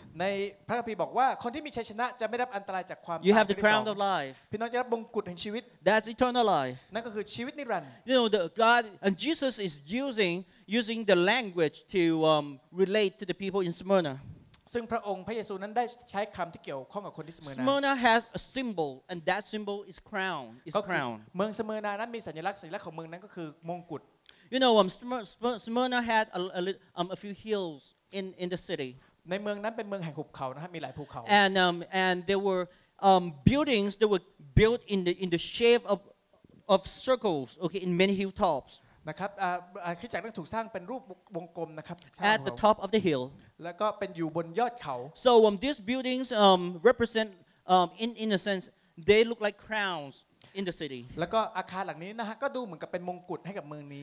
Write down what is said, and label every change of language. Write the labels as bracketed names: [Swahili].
[Thai] ในพระคัมภีร์บอกว่าคนที่มีชัยชนะจะไม่รับอันตรายจากความตาย [English] You have the crown of life. [Thai] พี่น้องจะรับมงกุฎแห่งชีวิต [English] That's eternal life. [Thai] นั่นก็คือชีวิตนิรันดร์ [English] You know the God and Jesus is using the language to relate to the people in Smyrna. [Thai] ซึ่งพระองค์พระเยซูนั้นได้ใช้คําที่เกี่ยวข้องกับคนที่ Smyrna. [English] Smyrna has a symbol and that symbol is crown. It's crown. [Thai] เมือง Smyrna นั้นมีสัญลักษณ์สัญลักษณ์ของเมืองนั้นก็คือมงกุฎ [English] You know, Smyrna had a few hills in the city. [Thai] ในเมืองนั้นเป็นเมืองแห่งหุบเขานะครับมีหลายภูเขา [English] And there were buildings that were built in the shape of circles, okay, in many hilltops. [Thai] นะครับคริสตจักรนั้นถูกสร้างเป็นรูปวงกลมนะครับ [English] At the top of the hill. [Thai] แล้วก็เป็นอยู่บนยอดเขา [English] So these buildings represent in a sense they look like crowns. In the city. [Thai] แล้วก็อาคารหลังนี้นะฮะก็ดูเหมือนกับเป็นมงกุฎให้กับเมืองนี